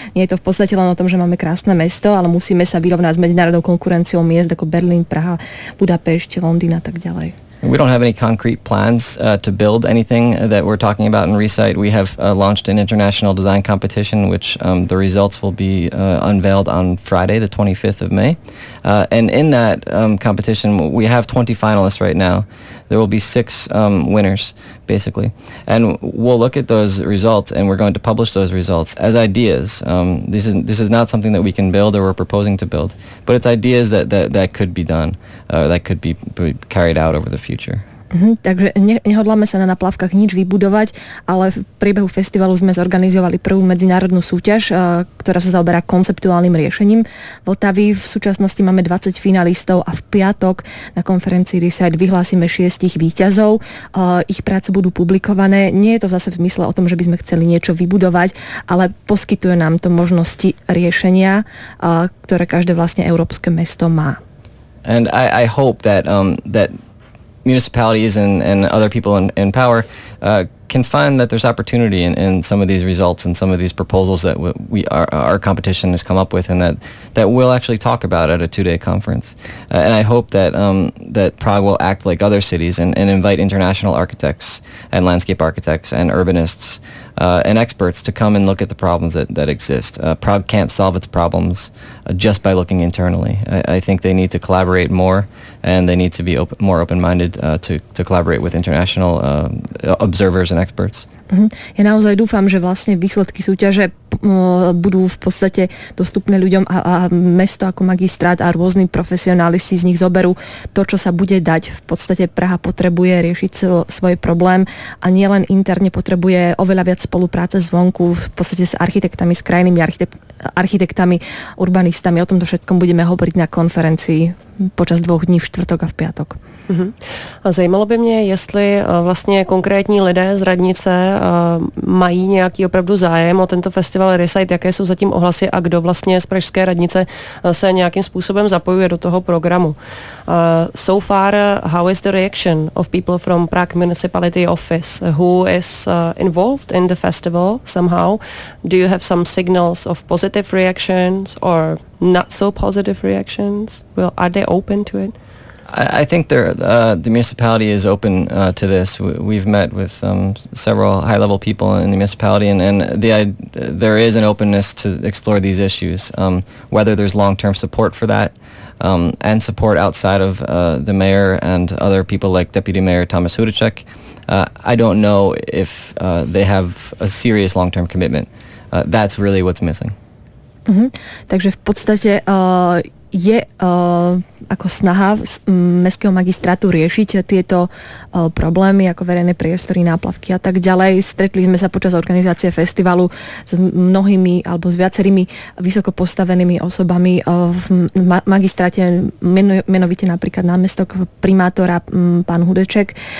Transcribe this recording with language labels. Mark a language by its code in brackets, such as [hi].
[sk] Nie je to v podstate len o tom, že máme krásne mesto, ale musíme sa vyrovnať s medzinárodnou konkurenciou miest ako Berlín, Praha, Budapešť, Londýn a tak ďalej. [en] We don't have any concrete plans to build anything that we're talking about in Resite. We have launched an international design competition, which the results will be unveiled on Friday, the 25th of May. And in that competition, we have 20 finalists right now. There will be six winners, basically. And we'll look at those results, and we're going to publish those results as ideas. This is not something that we can build or we're proposing to build, but it's ideas that could be done, that could be carried out over the future. [sk] Takže nehodláme sa na náplavkách nič vybudovať, ale v priebehu festivalu sme zorganizovali prvú medzinárodnú súťaž, ktorá sa zaoberá konceptuálnym riešením Vltavy. V súčasnosti máme 20 finalistov a v piatok na konferencii Resite vyhlásime 6 víťazov. Ich práce budú publikované. Nie je to zase v mysle o tom, že by sme chceli niečo vybudovať, ale poskytuje nám to možnosti riešenia, ktoré každé vlastne európske mesto má. [en] And I hope that municipalities and other people in power can find that there's opportunity in some of these results and some of these proposals that our competition has come up with, and that we'll actually talk about at a two-day conference. And I hope that that Prague will act like other cities and invite international architects and landscape architects and urbanists and experts to come and look at the problems that exist. Prague can't solve its problems just by looking internally. I think they need to collaborate more, and they need to be more open-minded to collaborate with international observers and experts. [sk] Ja naozaj dúfam, že vlastne výsledky súťaže budú v podstate dostupné ľuďom a mesto ako magistrát a rôzni profesionáli si z nich zoberú to, čo sa bude dať. V podstate Praha potrebuje riešiť svoj problém a nielen interne, potrebuje oveľa viac spolupráce zvonku, v podstate s architektami, s krajnými architektami, urbanistami. O tomto všetkom budeme hovoriť na konferencii počas 2 dní, v štvrtok a v piatok. [cs] A zajímalo by mě, jestli vlastně konkrétní lidé z radnice mají nějaký opravdu zájem o tento festival Resite, jaké jsou zatím ohlasy a kdo vlastně z pražské radnice se nějakým způsobem zapojuje do toho programu. [en] So far, how is the reaction of people from Prague Municipality Office who is involved in the festival somehow? Do you have some signals of positive reactions or not so positive reactions? Well, are they open to it? I think the municipality is open to this. We've met with several high-level people in the municipality, and there is an openness to explore these issues. Whether there's long-term support for that, and support outside of the mayor and other people like Deputy Mayor Thomas Hudacek, I don't know if they have a serious long-term commitment. That's really what's missing. Mm-hmm. [sk] Takže v podstate je ako snaha mestského magistrátu riešiť tieto problémy ako verejné priestory, náplavky a tak ďalej. Stretli sme sa počas organizácie festivalu s mnohými alebo s viacerými vysokopostavenými osobami v magistráte, menovite napríklad námestok primátora pán Hudeček.